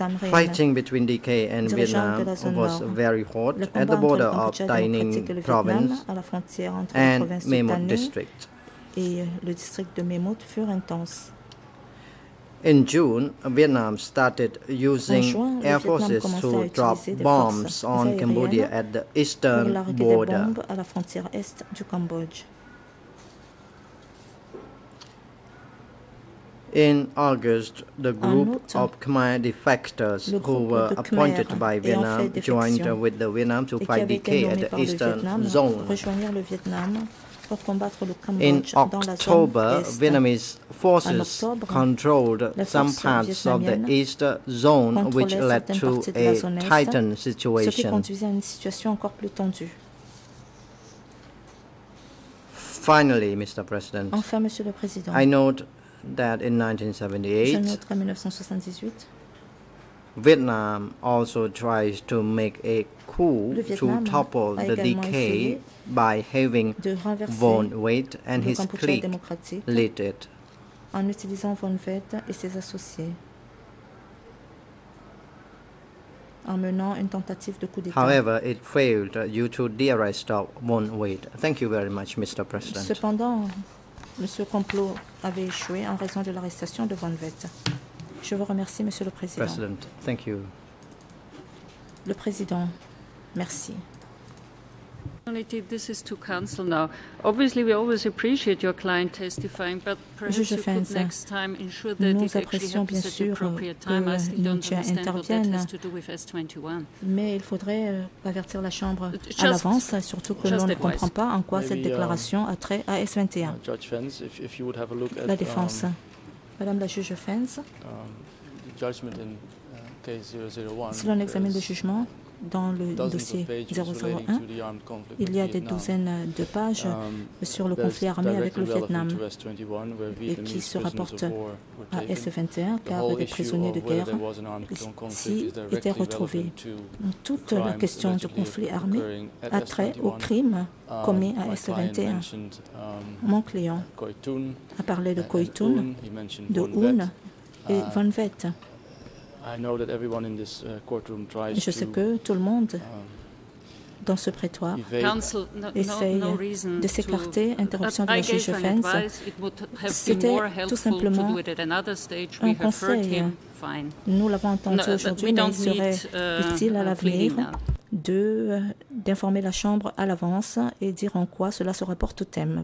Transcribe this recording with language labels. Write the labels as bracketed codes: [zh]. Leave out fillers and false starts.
[en] Fighting between DK and Vietnam was very hot at the border of Tay Ninh province and Mae Mot district. [fr] Et le district de Mae Mot fut intense. [en] In June, Vietnam started using air forces to drop bombs on Cambodia at the eastern border. [fr] À la frontière est du Cambodge. [en] In August, the group of Khmer defectors who were appointed by Vietnam joined with the Vietnam to fight DK at the eastern zone. [fr] Pour combattre le Cambodge [en] in [fr] dans [en] October, [fr] la zone est. [en] Vietnamese forces controlled some parts of the east zone, which led to a tightened situation. [fr] Ce qui conduisait à une situation encore plus tendue. [en] Finally, Mr. President, [fr] enfin, Monsieur le Président, [en] I note that in 1978, Vietnam also tries to make a coup to topple the DK by having Von Wait and his clique lead it. [fr] En utilisant Von Wait et ses associés, en menant une tentative de coup d'état. [en] However, it failed due to the arrest of Von Wait. Thank you very much, Mr. President. [fr] Cependant, ce complot avait échoué en raison de l'arrestation de Von Wait. Je vous remercie, Monsieur le Président. [en] President, thank you. [fr] Le Président, merci. [en] This is to counsel now. Obviously, we always appreciate your client testifying, but perhaps you could next time ensure that it actually happens at the appropriate time. I still don't understand what that has to do with S21. [fr] Mais il faudrait avertir la Chambre à l'avance, surtout que l'on ne comprend pas en quoi cette déclaration a trait à S21. [en] Judge Fens, if you would have a look at [fr] la défense. Madame la juge Fens, [en] the judgment in case 001, [fr] si l'on examine le jugement, dans le dossier 001, il y a des douzaines de pages sur le conflit armé avec le Vietnam et qui se rapportent à S21 car des prisonniers de guerre s'y étaient retrouvés. Toute la question du conflit armé a trait au crime commis à S21. Mon client a parlé de Khoi Thun, de Hun et Von Vett. [en] I know that everyone in this courtroom tries [fr] je sais que tout le monde dans ce prétoire essaye de s'écarter interruption de la juge Fens. C'était tout simplement un conseil. Nous l'avons entendu aujourd'hui, mais il serait utile à l'avenir d'informer la Chambre à l'avance et dire en quoi cela se rapporte au thème.